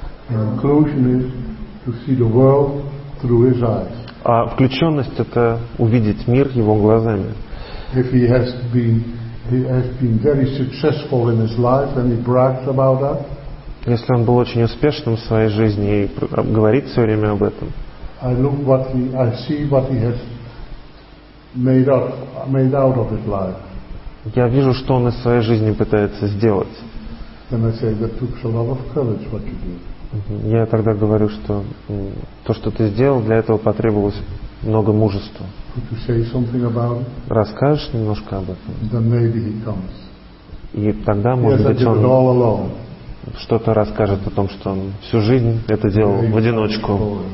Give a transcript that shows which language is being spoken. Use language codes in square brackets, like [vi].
[en] Inclusion is to see the world through his eyes. [ru] А включенность — это увидеть мир его глазами. [en] If he has been very successful in his life and he brags about that. [ru] Если он был очень успешным в своей жизни и говорит все время об этом. [en] I look what I see what he has made out of his life. [ru] Я вижу, что он из своей жизни пытается сделать. [en] And I say that took a lot of courage what you did. [ru] Я тогда говорю, что то, что ты сделал, для этого потребовалось много мужества. [en] Could you say something about it? [ru] Расскажешь немножко об этом? [en] Then maybe he comes. [ru] И тогда, может быть, он [en] all alone. [ru] Что-то расскажет о том, что он всю жизнь это делал в одиночку.